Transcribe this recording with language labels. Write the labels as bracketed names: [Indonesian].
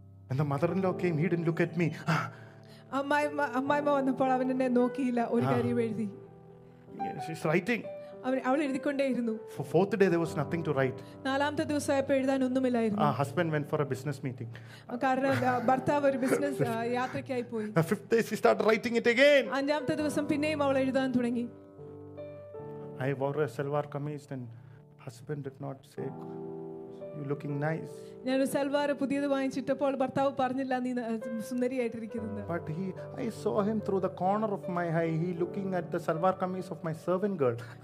[English] And the mother-in-law came, he didn't look at me. [Malayalam] അമ്മായിമ്മ വന്നപ്പോൾ അവൻ എന്നെ നോക്കിയില്ല, ഒരു കാര്യം എഴുതി. [English] She's writing. [Malayalam] അവൾ എഴുതിക്കൊണ്ടേയിരുന്നു. [English] For fourth day there was nothing to write. [Malayalam] നാലാമത്തെ ദിവസം ആയപ്പോൾ എഴുതാൻ ഒന്നുമില്ലായിരുന്നു. [English] Ah, husband went for a business meeting. [Malayalam] കാരണം ഭർത്താവ് ഒരു ബിസിനസ് യാത്രയ്ക്കായി പോയി. [English] The fifth day she started writing it again. [Malayalam] അഞ്ചാമത്തെ ദിവസം പിന്നെയും അവൾ എഴുതാൻ തുടങ്ങി. [English] I wore a salwar kameez and husband did not say, you're looking nice. [Malayalam] ഞാൻ ഒരു സൽവാർ പുതിയത് വാങ്ങിച്ചിട്ടപ്പോൾ ഭർത്താവ് പറഞ്ഞില്ല, നീ സുന്ദരിയായിട്ടിരിക്കുന്നു. [English] But he, I saw him through the corner of my eye, he looking at the salwar kameez of my servant girl.